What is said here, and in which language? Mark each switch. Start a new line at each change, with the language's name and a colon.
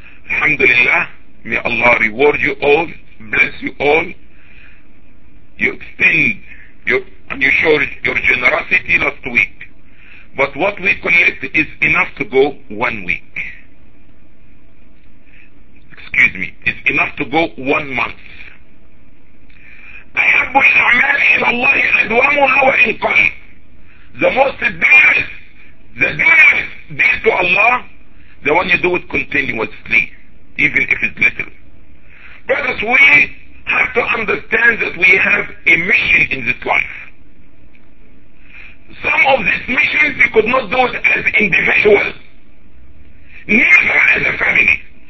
English: Alhamdulillah, may Allah reward you all, bless you all. You extend your, and you show your generosity last week. But what we collect is enough to go 1 week. Excuse me, it's enough to go 1 month.
Arabic: أحب الأعمال إلى الله أدومها وإن كان.
English: The most dearest, the dearest deed to Allah, the one you do it continuously, even if it's little. Brothers, we have to understand that we have a mission in this life. Some of these missions you could not do it as individual, neither as a family.